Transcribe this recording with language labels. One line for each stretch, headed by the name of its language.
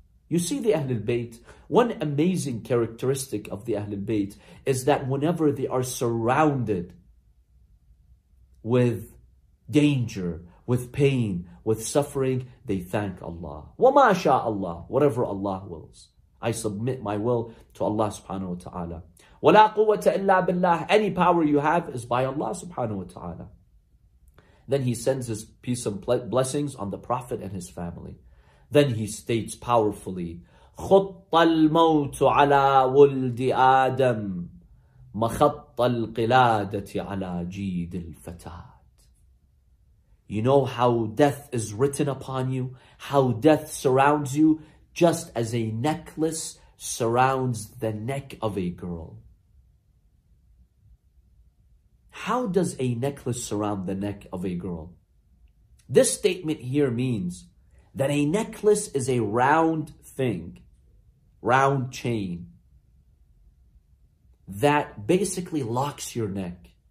English: You see the Ahlul Bayt, one amazing characteristic of the Ahlul Bayt is that whenever they are surrounded with danger, with pain, with suffering, they thank Allah.
Arabic: وَمَا شَاءَ اللَّهُ,
English: whatever Allah wills. I submit my will to Allah subhanahu wa ta'ala.
Arabic: وَلَا قُوَّةَ إِلَّا بِاللَّهِ,
English: any power you have is by Allah subhanahu wa ta'ala. Then he sends his peace and blessings on the Prophet and his family. Then he states powerfully,
Arabic: خُطَّ الْمَوْتُ عَلَىٰ وُلْدِ آدَمْ مَخَطَّ الْقِلَادَةِ عَلَىٰ جِيدِ الْفَتَاتِ.
English: You know how death is written upon you? How death surrounds you? Just as a necklace surrounds the neck of a girl. How does a necklace surround the neck of a girl? This statement here means that a necklace is a round thing, round chain, that basically locks your neck.